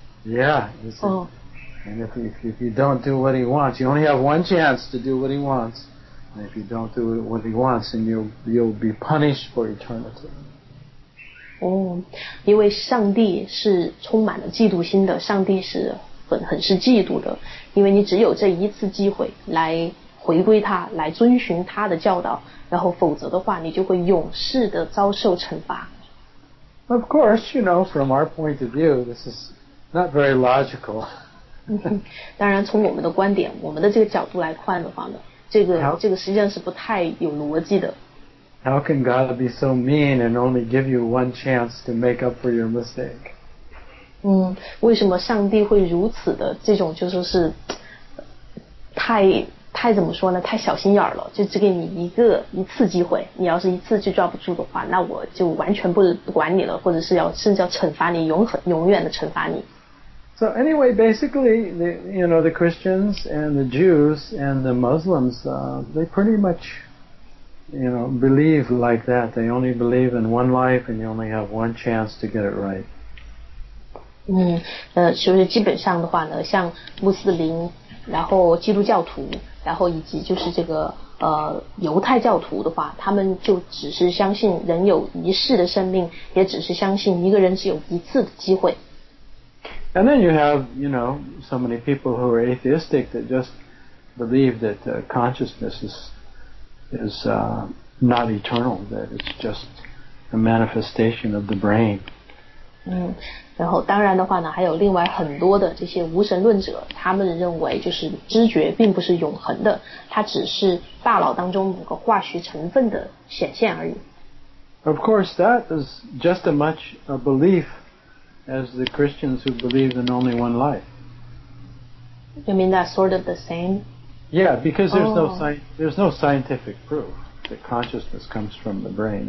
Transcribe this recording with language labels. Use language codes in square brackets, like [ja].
[en] Yeah, and if you don't do what he wants, you only have one chance to do what he wants. And if you don't do what he wants, then you'll be punished for eternity. [zh] 因为上帝是充满了嫉妒心的，上帝是很是嫉妒的，因为你只有这一次机会来回归他，来遵循他的教导，然后否则的话，你就会永世的遭受惩罚。 [en] Of course, you know, from our point of view, this is. Not very logical. [zh] 当然从我们的观点我们的这个角度来看的话呢这个实际上是不太有逻辑的。 [en] How can God be so mean and only give you one chance to make up for your mistake? [zh] 为什么上帝会如此的这种就说是太怎么说呢太小心眼了就只给你一次机会你要是一次就抓不住的话那我就完全不管你了或者是要甚至要惩罚你永远的惩罚你。 [en] So anyway, basically, the Christians and the Jews and the Muslims, they pretty much, you know, believe like that. They only believe in one life and you only have one chance to get it right. [zh] 就是基本上的话呢，像穆斯林，然后基督教徒，然后以及就是这个犹太教徒的话，他们就只是相信人有一世的生命，也只是相信一个人只有一次的机会。 [en] And then you have, you know, so many people who are atheistic that just believe that consciousness is not eternal, that it's just a manifestation of the brain. [zh] 然后当然的话呢，还有另外很多的这些无神论者，他们认为就是知觉并不是永恒的，它只是大脑当中某个化学成分的显现而已。 [en] Of course, that is just as much a belief as the Christians who believe in only one life. You mean that's sort of the same? Yeah, because there's no scientific proof that consciousness comes from the brain.